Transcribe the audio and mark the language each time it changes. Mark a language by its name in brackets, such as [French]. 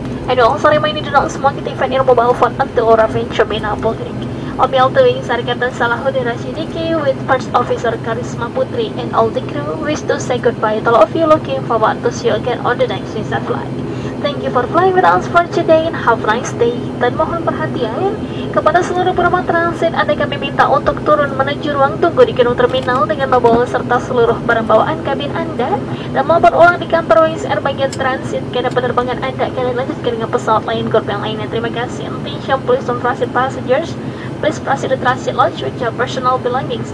[English] And also remind you to not smoke even your mobile phone until you arrive in terminal boarding. I'm all doing Sarkatan Salahuddin Rashidiki with First Officer Karisma Putri and all the crew wish to say goodbye to all of you looking forward to see you again on the next visa flight. Thank you for flying with us for today and have a nice day. [Indonesian] Dan mohon perhatian kepada seluruh penumpang transit, Anda kami minta untuk turun menuju ruang tunggu di gedung terminal dengan membawa serta seluruh barang bawaan kabin Anda dan mohon ulang di kantor Wings Air bagian transit karena penerbangan Anda akan dilanjutkan dengan pesawat lain grup yang lainnya. Terima kasih. [English] Attention please on transit passengers. Please proceed to transit lounge with your personal belongings.